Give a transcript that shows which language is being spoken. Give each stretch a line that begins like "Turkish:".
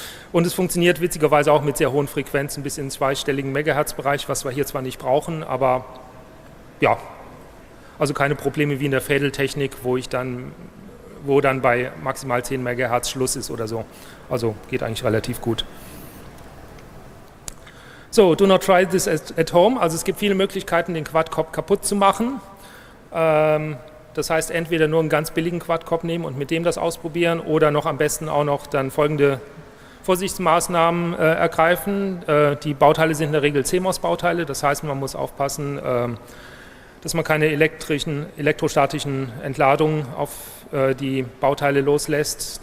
German: Und es funktioniert witzigerweise auch mit sehr hohen Frequenzen bis in den zweistelligen Megahertz-Bereich, was wir hier zwar nicht brauchen, aber ja, also keine Probleme wie in der Fädeltechnik, wo dann bei maximal 10 MHz Schluss ist oder so. Also geht eigentlich relativ gut.
English: So, do not try this at home.
German: Also es gibt viele Möglichkeiten, den Quadcop kaputt zu machen. Das heißt, entweder nur einen ganz billigen Quadcop nehmen und mit dem das ausprobieren oder noch am besten auch noch dann folgende Vorsichtsmaßnahmen ergreifen. Die Bauteile sind in der Regel CMOS-Bauteile. Das heißt, man muss aufpassen, dass man keine elektrostatischen Entladungen auf die Bauteile loslässt.